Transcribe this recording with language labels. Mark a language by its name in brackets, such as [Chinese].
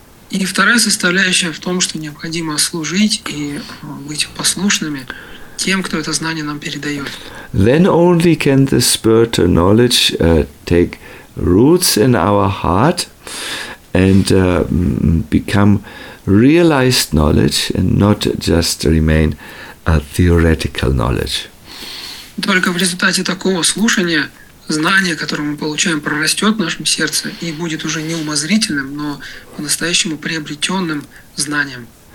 [Russian] И вторая составляющая в том, что необходимо служить и быть послушными тем, кто это знание нам передает. [English] Then only can the spirit of knowledge take roots in our heart and become realized knowledge and not just remain a theoretical knowledge. [Russian] Только в результате такого слушания знание, которое мы получаем, прорастет в нашем сердце и будет уже не умозрительным, но по-настоящему приобретенным знанием.